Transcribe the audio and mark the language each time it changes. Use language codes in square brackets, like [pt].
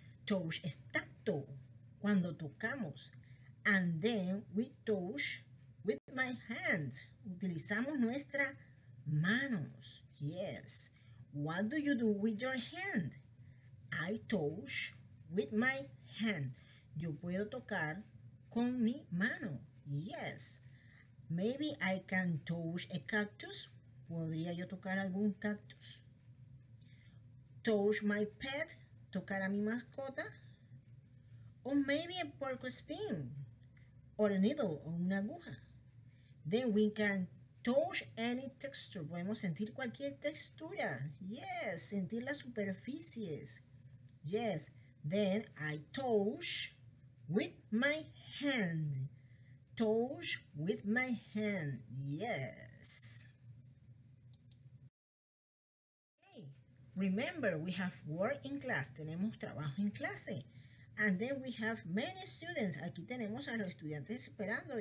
[es] Touch es tacto, cuando tocamos. [en] And then we touch with my hands. [es] Utilizamos nuestras manos. [en] Yes. What do you do with your hand? I touch with my hand. [es] Yo puedo tocar con mi mano. [en] Yes. Maybe I can touch a cactus. [es] ¿Podría yo tocar algún cactus? [en] Touch my pet. [es] ¿Tocar a mi mascota? [en] Or maybe a porcupine. Or a needle. [es] O una aguja. [en] Then we can touch any texture. [es] Podemos sentir cualquier textura. [en] Yes. [es] Sentir las superficies. Yes. [en] Then I touch with my hand. Touch with my hand. Yes. Okay. Remember, we have work in class. [es] Tenemos trabajo en clase. [en] And then we have many students. [es] Aquí tenemos a los estudiantes esperando.